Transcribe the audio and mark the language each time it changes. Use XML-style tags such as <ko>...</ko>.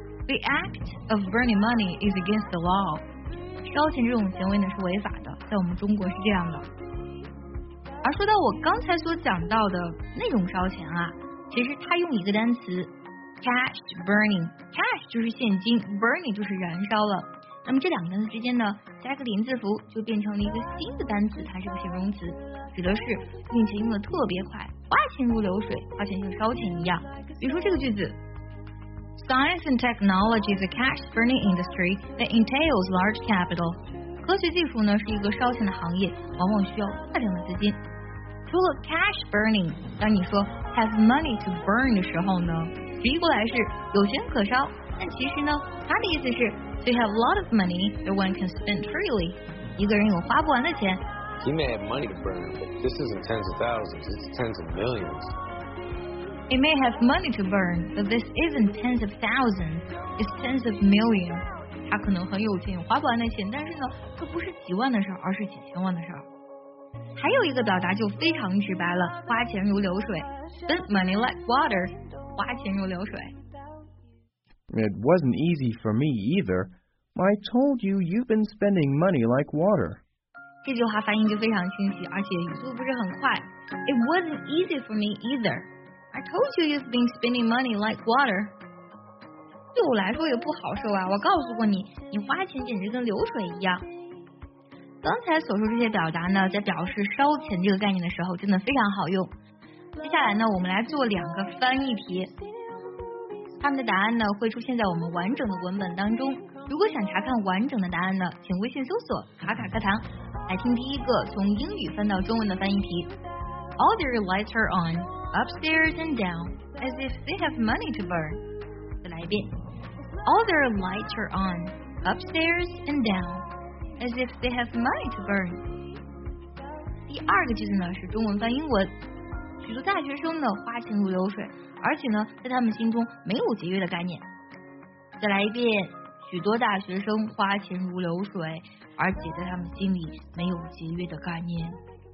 <en>The act of burning money is against the law.</en> <zh>烧钱这种行为呢是违法的，在我们中国是这样的。而说到我刚才所讲到的那种烧钱啊，其实它用一个单词 cash burning， cash 就是现金， burning 就是燃烧了。那么这两个单词之间呢，加个连字符就变成了一个新的单词，它是个形容词，指的是并且用的特别快，花钱如流水，花钱像烧钱一样。比如说这个句子</zh> <en>，Science and technology is a cash burning industry that entails large capital。</en> <zh>科学技术呢是一个烧钱的行业，往往需要大量的资金。除了 cash burning， 当你说</zh> <en>have money to burn</en> <zh>的时候呢，直译过来是有钱可烧，但其实呢，它的意思是。</zh> <en>They have a lot of money that one can spend freely.</en> <zh>一个人有花不完的钱。</zh> <en>He may have money to burn, but this isn't tens of thousands, this is tens of millions. He may have money to burn, but this isn't tens of thousands, it's tens of millions.</en> <zh>他可能很有钱，有花不完的钱，但是呢，这不是几万的事儿，而是几千万的事儿。还有一个表达就非常直白了，花钱如流水。</zh> <en>Spend money like water,</en> <zh>花钱如流水。</zh> <en>It wasn't easy for me either. I told you you've been spending money like water.</en> <zh>这句话发音就非常清晰，而且语速不是很快。</zh> <en>It wasn't easy for me either. I told you you've been spending money like water.</en> <zh>对我来说也不好受啊，我告诉过你，你花钱简直跟流水一样。刚才所说这些表达呢，在表示烧钱这个概念的时候真的非常好用。接下来呢，我们来做两个翻译题。他们的答案呢会出现在我们完整的文本当中，如果想查看完整的答案呢，请微信搜索卡卡课堂。来听第一个从英语翻到中文的翻译题。</zh> <en>All their lights are on upstairs and down as if they have money to burn.</en> <zh>再来一遍。</zh> <en>All their lights are on upstairs and down as if they have money to burn.</en> <zh>第二个句子呢是中文翻英文，许多大学生呢花钱如流水，而且呢在他们心中没有节约的概念。再来一遍，许多大学生花钱如流水，而且在他们心里没有节约的概念。</zh>